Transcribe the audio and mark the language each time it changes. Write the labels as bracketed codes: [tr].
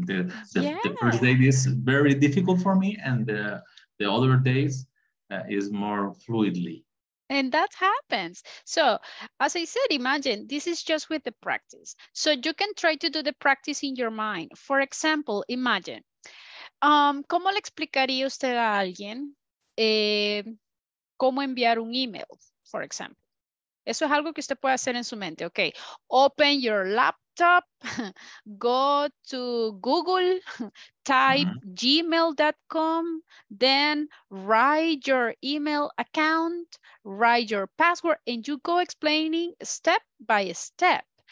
[en] The first day is very difficult for me, and the other days is more fluidly. And that happens. So as I said, imagine this is just with the practice. So you can try to do the practice in your mind. For example, imagine, [es] ¿cómo le explicaría usted a alguien cómo enviar un email, [en] for example? [es] Eso es algo que usted puede hacer en su mente. [en] Okay, open your laptop, go to Google, type gmail.com, then write your email account, write your password, and you go explaining step by step.